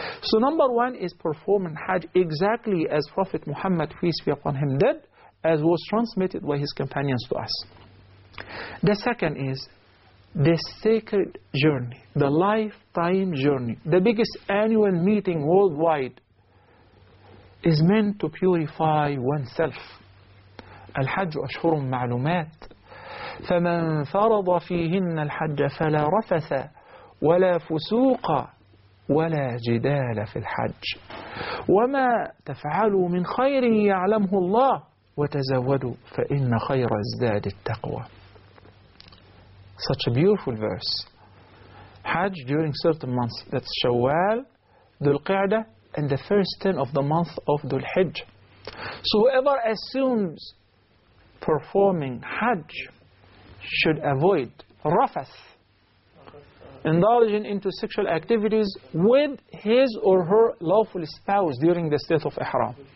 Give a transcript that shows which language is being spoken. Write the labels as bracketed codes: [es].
[en] So number one is performing Hajj exactly as Prophet Muhammad, peace be upon him, did, as was transmitted by his companions to us. The second is the sacred journey, the lifetime journey, the biggest annual meeting worldwide, is meant to purify oneself. [ar] الحج أشهر معلومات فمن فرض فيهن الحج فلا رفث ولا فسوق ولا جدال في الحج وما تفعلوا من خير يعلمه الله وتزودوا فإن خير ازداد التقوى. [en] Such a beautiful verse. Hajj during certain months, that's Shawwal, Dhul Qa'dah, and the first 10 of the month of Dhul Hijj. So whoever assumes performing Hajj should avoid rafath, indulging into sexual activities with his or her lawful spouse during the state of Ihram.